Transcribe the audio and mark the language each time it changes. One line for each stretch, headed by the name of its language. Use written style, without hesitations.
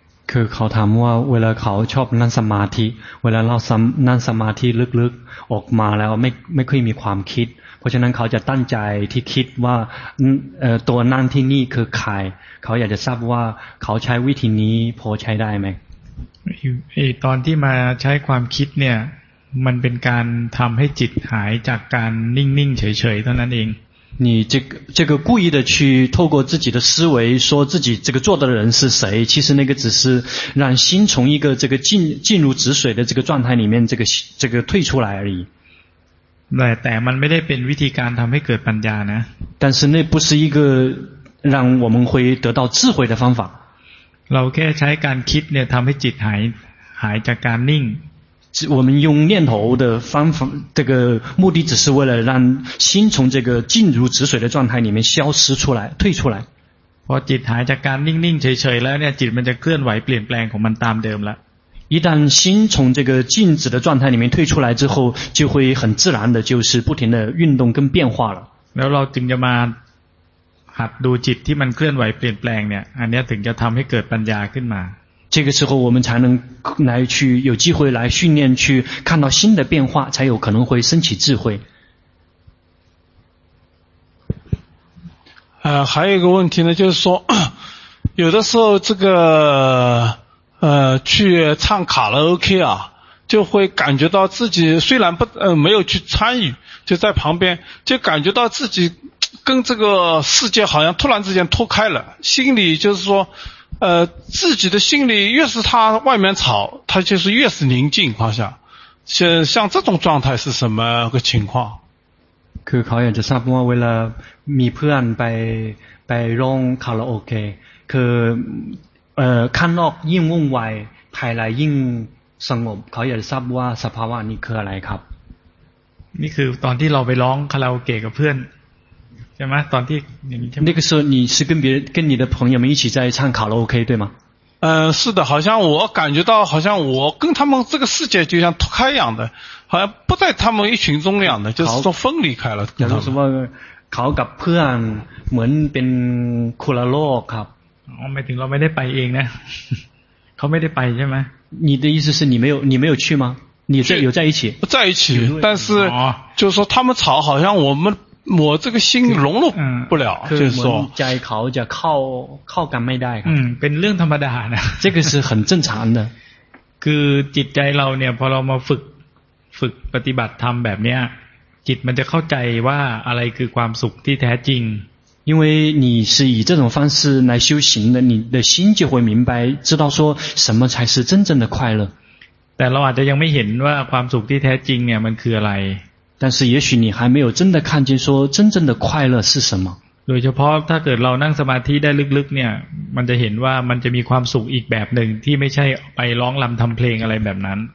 Thai: คือเขาถามว่าเวลาเขาชอบนั่งสมาธิเวลาเรานั่งสมาธิลึกๆออกมาแล้วไม่ค่อยมีความคิดเพราะฉะนั้นเขาจะตั้งใจที่คิดว่าตัวนั่งที่นี่คือใครเขาอยากจะทราบว่าเขาใช้วิธีนี้พอใช้ได้ไหม ตอนที่มาใช้ความคิดเนี่ยมันเป็นการทำให้จิตหายจากการนิ่งๆเฉยๆเท่านั้นเอง
Chinese: 你这个故意的去透过自己的思维说自己这个做的人是谁，其实那个只是让心从一个这个进入止水的这个状态里面这个退出来而已。对，但
Thai: มันไม่ได้เป็นวิธีการทำให้เกิดปัญญานะ。
Chinese: 但是那不是一个让我们会得到智慧的方法。
Thai: เราแค่ใช้การคิดเนี่ยทำให้จิตหายจากการนิ่ง。
Chinese: 我们用念头的方法，这个目的只是为了让心从这个静如止水的状态里面消失出来，退出来。
Thai: พอจิตหายจากการนิ่งๆเฉยๆแล้วเนี่ยจิตมันจะเคลื่อนไหวเปลี่ยนแปลงของมันตามเดิมละ。
Chinese: 一旦心从这个静止的状态里面退出来之后，就会很自然的就是不停的运动跟变化了。
Thai: แล้วเราถึงจะมาหัดดูจิตที่มันเคลื่อนไหวเปลี่ยนแปลงเนี่ยอันนี้ถึงจะทำให้เกิดปัญญาขึ้นมา。
Chinese: 这个时候我们才能来去有机会来训练去看到新的变化，才有可能会升起智慧。还有一个问题呢，就是说有的时候这个去唱卡拉 OK 啊，就会感觉到自己虽然没有去参与，就在旁边，就感觉到自己跟这个世界好像突然之间脱开了，心里就是说自己的心里越是他外面吵，他就是越是宁静，好像像这种状态是什么个情况？
Thai: คือเขาอยากจะทราบว่าเวลามีเพื่อนไปร้องคาราโอเกะคือข้างนอกยิ่งวุ่นวายภายในยิ่งสงบเขาอยากจะทราบว่าสภาวะนี้คืออะไรครับ นี่คือตอนที่เราไปร้องคาราโอเกะกับเพื่อนใช่ไหมตอนที่
Chinese: 那个时候你是跟别人跟你的朋友们一起在唱卡拉 OK 对吗？是的，好像我感觉到好像我跟他们这个世界就像脱开一样的，好像不在他们一群中一样的，就是说分离开了。有什么？
Thai: เขากับเพื่อนเหมือนเป็นคนละโลกครับ。
Chinese: 哦，没听，我没得
Thai: ไปเองนะ。เขาไม่ได้ไปใช่ไหม？
Chinese: 你的意思是你没有去吗？你在有在一起？在一起，但是就是说他们吵，好像我这个心融入不了，就是说，
Thai: ใจเขาจะเข้ากันไม่ได้ครับ。 เป็นเรื่องธรรมดาเนี่ย。
Chinese: 这个是很正常的。
Thai: คือจิตใจเราเนี่ยพอเรามาฝึกปฏิบัติธรรมแบบเนี้ยจิตมันจะเข้าใจว่าอะไรคือความสุขที่แท้จริง。
Chinese: 因为你是以这种方式来修行的，你的心就会明白，知道说什么才是真正的快乐。
Thai: แต่เราอาจจะยังไม่เห็นว่าความสุขที่แท้จริงเนี่ยมันคืออะไร。
Chinese: 但是也许你还没有真的看见说真正的快乐是什么。
Thai: โดยเฉพาะถ้าเกิดเรานั่งสมาธิได้ลึกๆเนี่ยมันจะเห็นว่ามันจะมีความสุขอีกแบบหนึ่งที่ไม่ใช่ไปร้องรำทำเพลงอะไรแบบนั้น。